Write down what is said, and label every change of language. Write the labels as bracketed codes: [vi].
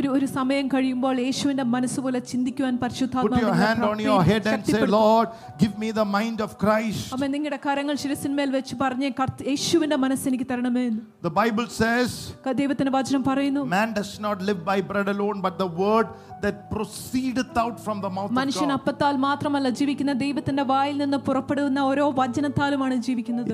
[ml] ഒരു സമയം കഴിയുമ്പോൾ യേശുവിന്റെ മനസ്സ് പോലെ ചിന്തിക്കുവാൻ പരിശുദ്ധാത്മാവ് നിങ്ങളെ പ്രേരിപ്പി. [en] Put your hand on your head and say, Lord, give me the mind of Christ. [ml] അമ്മ നിങ്ങളുടെ കരങ്ങൾ ശിരസ്സിന്മേൽ വെച്ച് പറഞ്ഞു യേശുവിന്റെ മനസ്സ് എനിക്ക് തരണമേ. [en] The Bible says, [ml] ദൈവത്തിന്റെ വചനം പറയുന്നു, [en] man does not live by bread alone but the word that proceedeth out from the mouth of God. [ml] മനുഷ്യൻ അപ്പത്താൽ മാത്രമല്ല ജീവിക്കുന്ന ദൈവത്തിന്റെ വായിൽ നിന്ന് പുറപ്പെടുന്ന ഓരോ വചനത്താലുമാണ് ജീവിക്കുന്നത്.